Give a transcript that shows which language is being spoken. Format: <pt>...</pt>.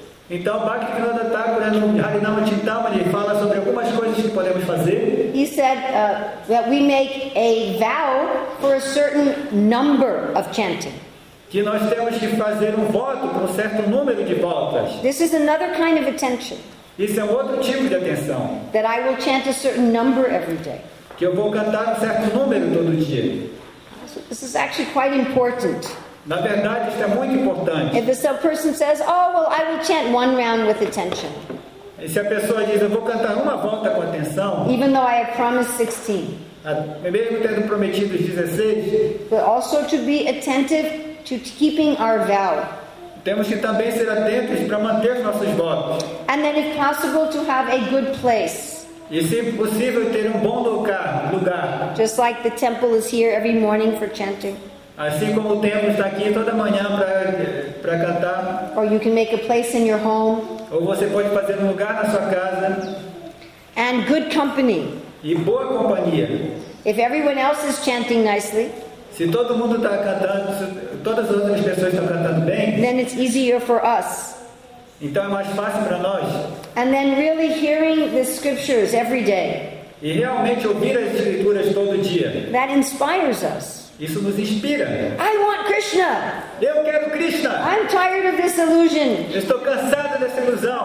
<pt>Então, Bhaktivinoda Thakur no Harinam Chintamani fala sobre algumas coisas que podemos fazer.</pt> <en>He said that we make a vow for a certain number of chanting.</en> <pt>Que nós temos que fazer voto com um certo número de votos.</pt> <en>This is another kind of attention.</en> <pt>Isso é outro tipo de atenção.</pt> <en>That I will chant a certain number every day.</en> <pt>Que eu vou cantar um certo número todo dia.</pt> <en>So this is actually quite important.</en> <pt>Na verdade, isso é muito importante.</pt> <en>If a person says, I will chant one round with attention.</en> <pt>E se a pessoa diz, eu vou cantar uma volta com atenção.</pt> <en>Even though I have promised 16.</en> <pt>Mesmo tendo prometido 16.</pt> <en>But also to be attentive to keeping our vow.</en> <pt>Temos que também ser atentos para manter nossos votos.</pt> <en>And then if possible to have a good place.</en> <pt>E se possível ter bom lugar.</pt> <en>Just like the temple is here every morning for chanting.</en> <pt>Assim como o templo está aqui toda manhã para cantar.</pt> <en>Or you can make a place in your home.</en> <pt>Ou você pode fazer lugar na sua casa.</pt> <en>And good company.</en> <pt>E boa companhia.</pt> <en>If everyone else is chanting nicely.</en> <pt>Se todo mundo está cantando, se todas as outras pessoas estão cantando bem.</pt> <en>Then it's easier for us.</en> <pt>Então é mais fácil para nós.</pt> <en>And then really hearing the scriptures every day.</en> <pt>E realmente ouvir as escrituras todo dia.</pt> <en>That inspires us.</en> <pt>Isso nos inspira.</pt> <en>I want Krishna.</en> <pt>Eu quero Krishna.</pt> <en>I'm tired of this illusion.</en> <pt>Estou cansado dessa ilusão.</pt>